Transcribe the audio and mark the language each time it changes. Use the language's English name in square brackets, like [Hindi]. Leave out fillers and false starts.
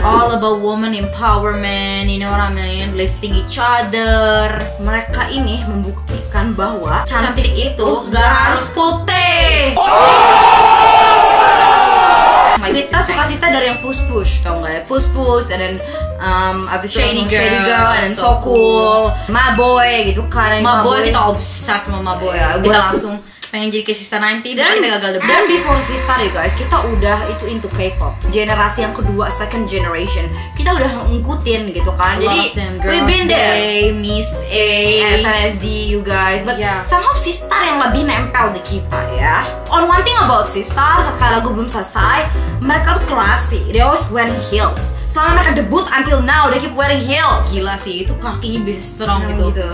[English] All about woman empowerment, you know what I mean? Lifting each other. [Indonesian] Mereka ini membuktikan bahwa cantik itu nggak harus putih. Kita suka Sista dari yang push-push, tau gak ya? [English] Push-push, and then Shady Girl, Shady Girl, and then So Cool, Maboy gitu kan. [Indonesian] Maboy, kita obses sama Maboy ya. Gua langsung pengen jadi kayak Sista 90, dan kita gagal debut. Dan before Sista ya guys, kita udah itu into K-pop. Generasi yang kedua, second generation, kita udah ngikutin gitu kan. [English] Jadi, we've been there. Miss A, [Indonesian] SNSD, you guys. But somehow Sista yang lebih nempel di kita ya. On one thing about Sista, setelah lagu belum selesai, mereka tuh classy, they always wearing heels. [English] Selama mereka debut until now, they keep wearing heels. [Indonesian] Gila sih, itu kakinya bisa strong gitu.